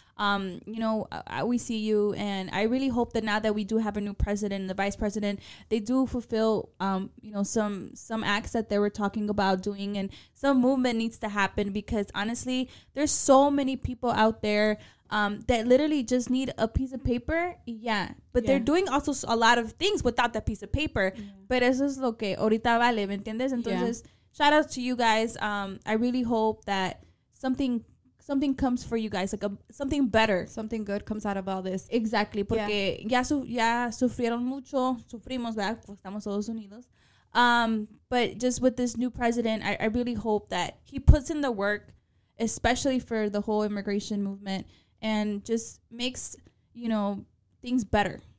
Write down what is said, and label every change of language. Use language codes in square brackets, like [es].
[en] You know, we see you, and I really hope that now that we do have a new president and the vice president, they do fulfill, you know, some acts that they were talking about doing, and some movement needs to happen, because honestly, there's so many people out there that literally just need a piece of paper. Yeah. But yeah, they're doing also a lot of things without that piece of paper. Yeah. [es] Pero eso es lo que ahorita vale, ¿me entiendes? Entonces, [en] yeah. Shout out to you guys. I really hope that something comes for you guys, like something better, something good comes out of all this. Exactly, [es] porque ya sufrieron mucho, sufrimos, ¿verdad? Porque estamos todos unidos. [en] But just with this new president, I really hope that he puts in the work, especially for the whole immigration movement, and just makes, you know, things better.